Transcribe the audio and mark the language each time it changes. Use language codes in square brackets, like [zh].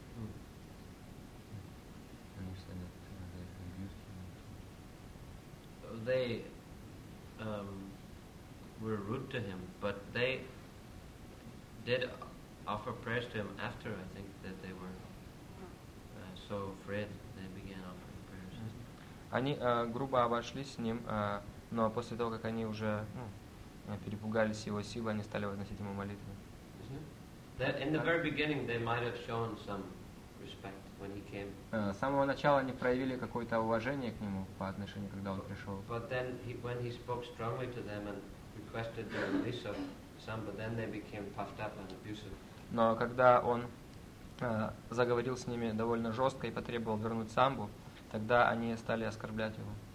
[en] Mm. And you said that they abused him. They were rude to him, but they did offer prayers to him after, I think, that they were so afraid. They began offering prayers. [ru] Они грубо обошлись с ним, но после того, как они уже перепугались его силы, они стали возносить ему молитвы. [en] That in the very beginning they might have shown some respect. When he came. [ru] С самого начала они проявили какое-то уважение к нему по отношению, когда он пришел. [en] But then when he spoke strongly to them and requested the release of Sambha, then they became puffed up and abusive. [ru] Но когда он заговорил с ними довольно жестко и потребовал вернуть Самбу, тогда они стали оскорблять его.